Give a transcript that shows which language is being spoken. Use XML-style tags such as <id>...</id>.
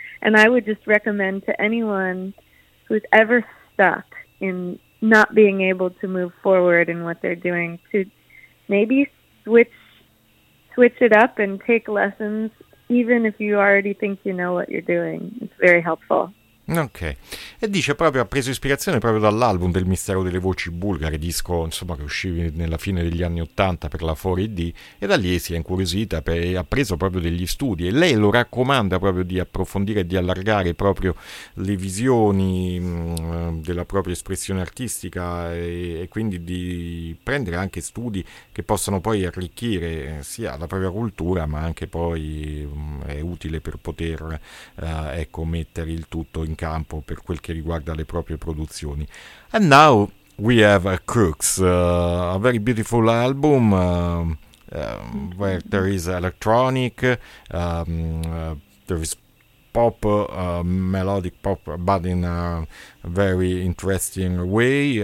<en>And I would just recommend to anyone who's ever stuck in not being able to move forward in what they're doing to maybe switch it up and take lessons, even if you already think you know what you're doing. It's very helpful.</en> <it>Ok, e dice proprio, ha preso ispirazione proprio dall'album del Mistero delle Voci Bulgare, disco insomma che uscì nella fine degli anni 80 per la 4D, e da lì si è incuriosita e ha preso proprio degli studi, e lei lo raccomanda proprio di approfondire e di allargare proprio le visioni della propria espressione artistica e quindi di prendere anche studi che possano poi arricchire sia la propria cultura, ma anche poi è utile per poter mettere il tutto in campo per quel che riguarda le proprie produzioni.</it> <en>And now we have Crooks, a very beautiful album where there is electronic, there is pop, melodic pop, but in a very interesting way.</en>